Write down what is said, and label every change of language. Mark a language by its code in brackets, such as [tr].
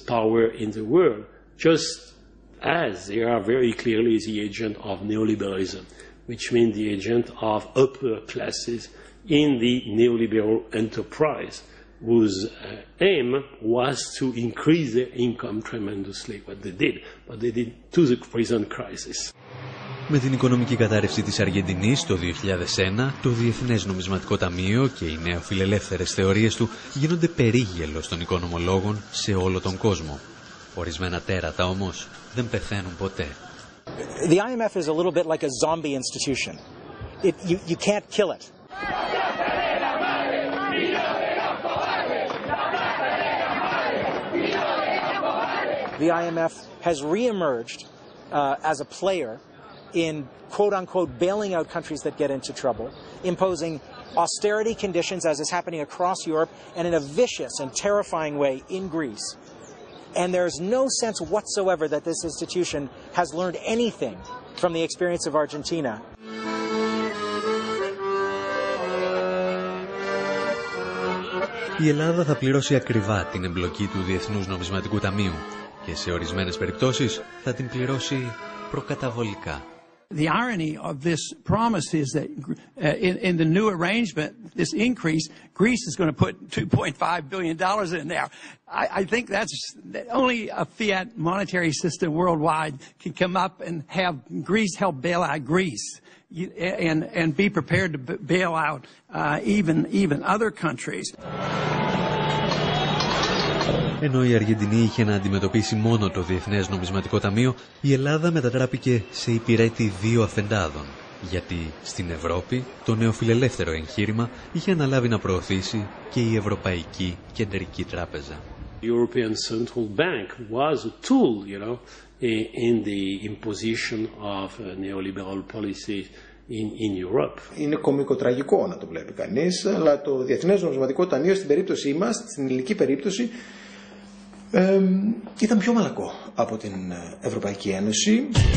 [en] power in the world, just as they are very clearly the agent of neoliberalism, which means the agent of upper classes in the neoliberal enterprise, whose aim was to increase their income tremendously, what they did to the present crisis. [el] Με την οικονομική κατάρρευση της Αργεντινής το 2001, το Διεθνές Νομισματικό Ταμείο και οι νεοφιλελεύθερες θεωρίες του γίνονται περίγελος των οικονομολόγων σε όλο τον κόσμο. Ορισμένα τέρατα όμως δεν πεθαίνουν ποτέ. [en] The IMF is a little bit like a zombie institution. You can't kill it. The IMF has re-emerged as a player in quote-unquote bailing out countries that get into trouble, imposing austerity conditions as is happening across Europe and in a vicious and terrifying way in Greece. And there's no sense whatsoever that this institution has learned anything from the experience of Argentina. [el] Η Ελλάδα θα πληρώσει ακριβά την εμπλοκή του Διεθνούς Νομισματικού Ταμείου και σε ορισμένες περιπτώσεις θα την πληρώσει προκαταβολικά. [en] The irony of this promise is that in the new arrangement, this increase, Greece is going to put $2.5 billion in there. I think that only a fiat monetary system worldwide can come up and have Greece help bail out Greece and be prepared to bail out even other countries. [el] Ενώ η Αργεντινή είχε να αντιμετωπίσει μόνο το Διεθνές Νομισματικό Ταμείο, η Ελλάδα μετατράπηκε σε υπηρέτη δύο αφεντάδων. Γιατί στην Ευρώπη το νεοφιλελεύθερο εγχείρημα είχε αναλάβει να προωθήσει και η Ευρωπαϊκή Κεντρική Τράπεζα. [en] The European Central Bank was a tool, you know, in the imposition of neoliberal policies in Europe. [el] Είναι κωμικοτραγικό να το βλέπει κανείς, αλλά το Διεθνές Νομισματικό Ταμείο στην περίπτωσή μας, στην ελληνική περίπτωση, ήταν πιο μαλακό από την Ευρωπαϊκή Ένωση.